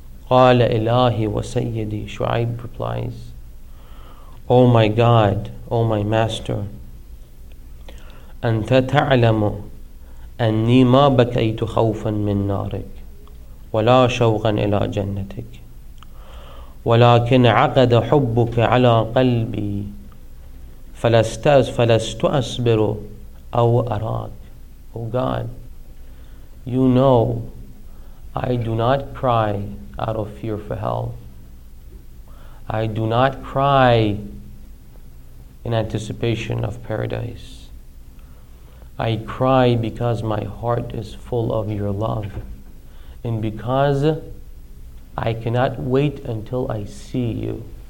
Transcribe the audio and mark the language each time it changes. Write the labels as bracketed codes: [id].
[ar] قَالَ إِلَهِ وَسَيِّدِي. [en] Shu'ayb replies, O my God, O my Master, [ar] أنت تعلم أني ما بكيت خوفا من نارك ولا شوقا إلى جنتك، ولكن عقد حبك على قلبي فلست أصبر أو أراك. [en] Oh God, you know I do not cry out of fear for hell. I do not cry in anticipation of paradise. I cry because my heart is full of your love, and because I cannot wait until I see you.